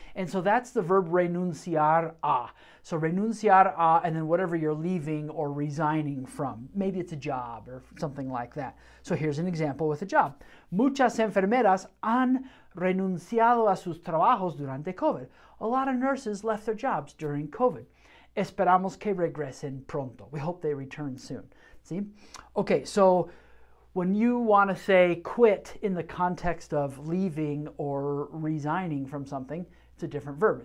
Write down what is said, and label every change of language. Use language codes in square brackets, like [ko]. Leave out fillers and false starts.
[en] And so that's the verb renunciar a. So renunciar a, and then whatever you're leaving or resigning from. Maybe it's a job or something like that. So here's an example with a job. [es] Muchas enfermeras han renunciado a sus trabajos durante COVID. [en] A lot of nurses left their jobs during COVID. [es] Esperamos que regresen pronto. [en] We hope they return soon. See? Okay, so when you want to say quit in the context of leaving or resigning from something, it's a different verb.